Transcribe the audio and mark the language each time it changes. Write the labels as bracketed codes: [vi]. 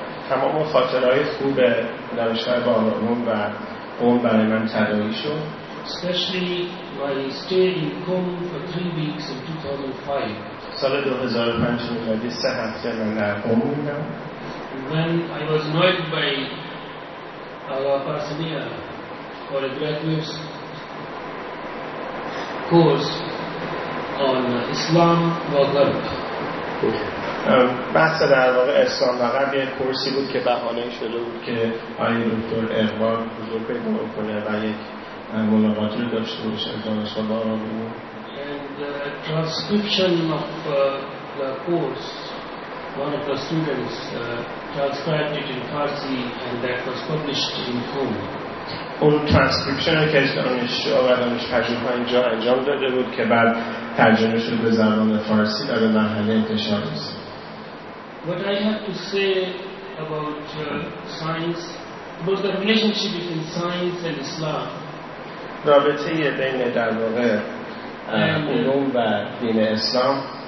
[fa] تمام خاطرهای خوب دانشگاه بهادر العلوم و قم برای من تداعی شد. [en] Especially my stay in Qom for 3 weeks in 2005. When I was invited by Allah Parsimia for a graduate course on Islam and Gharb. [fa] بحث در واقع اسلام و غرب یک کورسی بود که بهانه شده بود که آقای دکتر اقبال حضور پیدا کنه و یک ملاقات رو داشته باشه دانشگاه با آن بود. [en] And transcription of the course, one of the students transcribed it in Farsi and that was published in Qom. [fa] اون ترانسکریپشن رو که از دانشجو و دانش پژوه ها اینجا انجام داده بود که بعد ترجمه شد به زبان فارسی و به مرحله انتشار رسید. [en] What I have to say about science, about the relationship between science and Islam. [fa] رابطه بین در واقع علوم و دین اسلام.